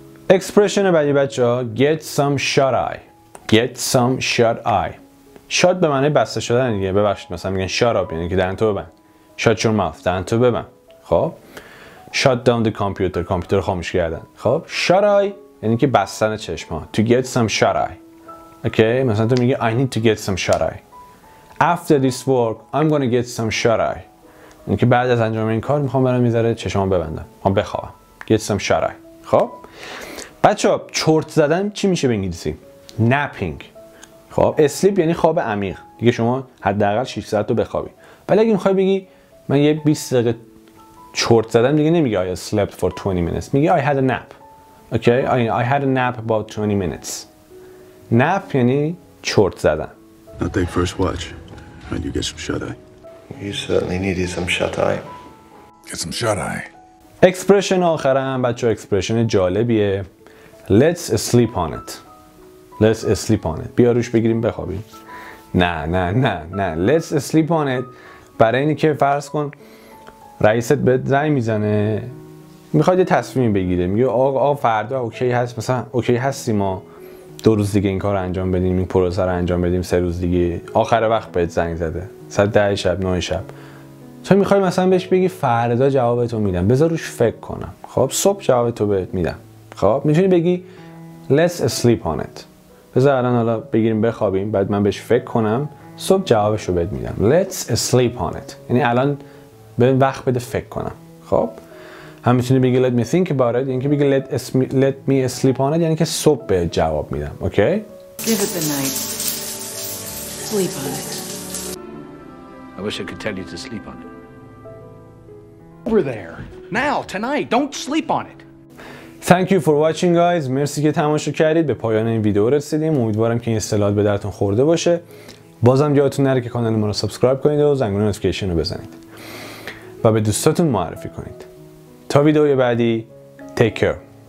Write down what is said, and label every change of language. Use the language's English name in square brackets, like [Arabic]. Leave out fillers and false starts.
[Persian] اکسپرشن بعدی بچه ها [English] get some shut eye. get some shut eye. [Persian] shut به معنی بسته شدن دیگه، ببخشید مثلا میگن [English] shut up [Persian] یعنی که دهن تو ببند. [English] shut your mouth، [Persian] دهن تو ببند. خب [English] shut down the computer, [Persian] کامپیوتر رو خاموش کردن. خب shut eye یعنی که بستن چشم ها. [English] To get some shut eye. Okay okay. مثلا تو میگی I need to get some shut eye. After this work I'm gonna get some shut eye. [Persian] یعنی که بعد از انجام این کار میخوام برم میذاره چشم ها ببندم. میخوام بخوابم. [English] Get some shut eye. [Persian] خب بچه ها چرت زدن چی میشه به انگلیسی؟ Napping. خب sleep یعنی خواب عمیق. دیگه شما حداقل 6 ساعت رو بخوابی. ولی اگه میخوای بگی من یه 20 دقیقه چرت زدم دیگه نمیگه [English] I slept for 20 minutes. میگه I had a nap. Okay? I had a nap about 20 minutes. [Persian] Nap یعنی چرت زدن. [English] I think first watch. And you get some shut eye. You certainly need some shut eye. Get some shut eye. [Persian] Expression آخرم بچه ها expression جالبیه. [English] Let's sleep on it. Let's sleep on it. [Persian] بیا روش بگیریم بخوابیم. نه نه نه نه. [English] Let's sleep on it. [Persian] برای اینی که فرض کن رئیست به زنگ میزنه. میخواد یه تصمیم بگیره. میگه آقا فردا اوکی هست. مثلا اوکی هستی ما دو روز دیگه این کار انجام بدیم. این پروسه رو انجام بدیم. سه روز دیگه. آخر وقت بهت زنگ زده. ساعت 10 شب 9 شب. تو میخوای مثلا بهش بگی فردا جوابتو میدم. بذار روش فکر کنم. خب صبح جوابتو بهت میدم. خب میتونی بگی [English] let's sleep on it. [Persian] بذار الان حالا بگیریم بخوابیم بعد من بهش فکر کنم صبح جوابشو بهت میدم. [English] Let's sleep on it. [Persian] یعنی الان به وقت بده فکر کنم. خب هم میتونی بگی [English] let me think about it. [Persian] یعنی که بگی [English] let me sleep on it. [Persian] یعنی که صبح به جواب میدم. اوکی؟ [English] Give it the night. Sleep on it. I wish I could tell you to sleep on it. Over there. Now, tonight. Don't sleep on it. Thank you for watching guys. [Persian] مرسی که تماشا کردید. به پایان این ویدیو رسیدیم. امیدوارم که این اصطلاحات به درتون خورده باشه. بازم یادتون نره که کانال ما رو سابسکرایب کنید و زنگوله نوتیفیکیشن رو بزنید. و به دوستاتون معرفی کنید. تا ویدیوی بعدی. [English] Take care.